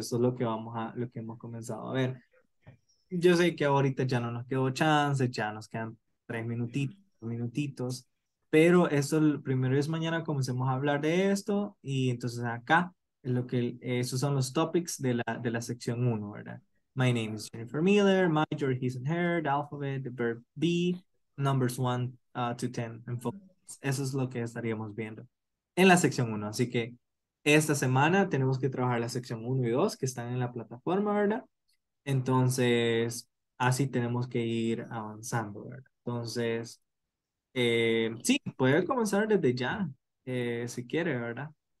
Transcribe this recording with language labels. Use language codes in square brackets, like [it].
[es] Eso es lo que hemos comenzado a ver. Yo sé que ahorita ya no nos quedó chance, ya nos quedan 3 minutitos, pero eso primero es mañana, comencemos a hablar de esto, y entonces acá, esos son los topics de la sección 1, ¿verdad? [en] My name is Jennifer Miller, major, his and her, the alphabet, the verb be, numbers 1 to 10, and focus. [es] Eso es lo que estaríamos viendo en la sección 1, así que esta semana tenemos que trabajar la sección 1 y 2 que están en la plataforma, ¿verdad? Entonces, así tenemos que ir avanzando, ¿verdad? Entonces, sí, puede comenzar desde ya, si quiere, ¿verdad?